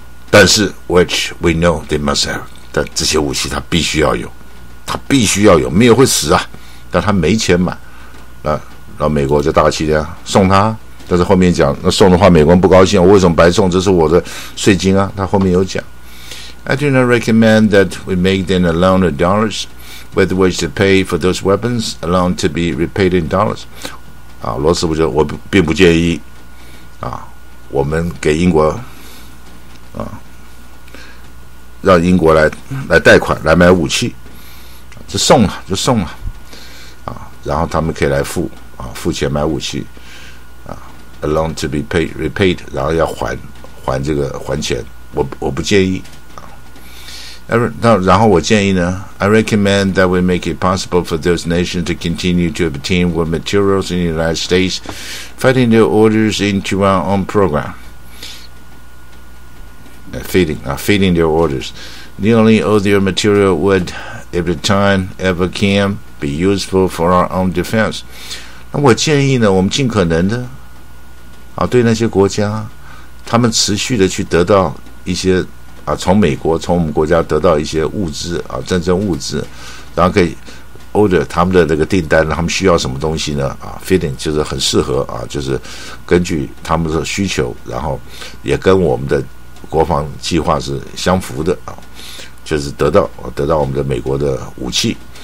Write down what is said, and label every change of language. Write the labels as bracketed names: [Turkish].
[Chinese] 但是 [English] which we know they must have， [Chinese] 但这些武器他必须要有，没有会死啊。但他没钱买，然后美国就大气的送他。但是后面讲，那送的话美国人不高兴，我为什么白送？这是我的税金啊。他后面有讲。 [English] I do not recommend that we make them a loan of dollars, whether we should pay for those weapons, a loan to be repaid in dollars. [Chinese] 啊，罗斯福说，我并不建议啊，我们给英国啊，让英国来贷款来买武器，就送了啊，然后他们可以来付啊，付钱买武器啊 ， [English] a loan to be paid repaid， [Chinese] 然后要还这个还钱，我不建议。然后我建议呢 [English] I recommend that we make it possible for those nations to continue to obtain war materials in the United States, feeding their orders into our own program. Feeding their orders. Nearly all their material would, if the time ever came, be useful for our own defense. [Chinese] 那我建议呢，我们尽可能的，对那些国家，他们持续的去得到一些从美国从我们国家得到一些物资战争物资，然后可以 order 他们的那个订单，他们需要什么东西呢fitting 就是很适合就是根据他们的需求，然后也跟我们的国防计划是相符的就是得到我们的美国的武器